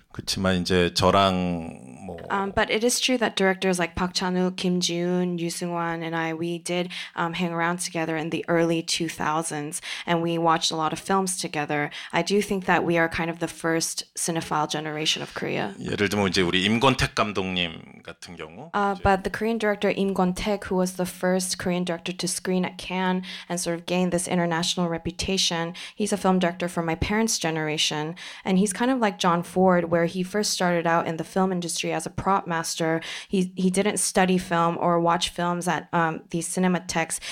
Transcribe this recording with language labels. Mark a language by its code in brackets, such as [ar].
[ko] 그렇지만 이제 저랑 뭐. [en] But it is true that directors like Park Chan-wook, Kim Ji-un, Yoo Seung-hwan, and I, we did hang around together in the early 2000s, and we watched a lot of films together. I do think that we are kind of the first cinephile generation of Korea. [ko] 예를 들면 이제 우리 임권택 감독님 같은 경우. [en] But the Korean director Im Kwon-taek, who was the first Korean director to screen at Cannes and sort of gain this international reputation, he's a film director from my parents' generation, and he's kind of like John Ford, where he first started out in the film industry as a prop master. He didn't study film or watch films at these cinematheques.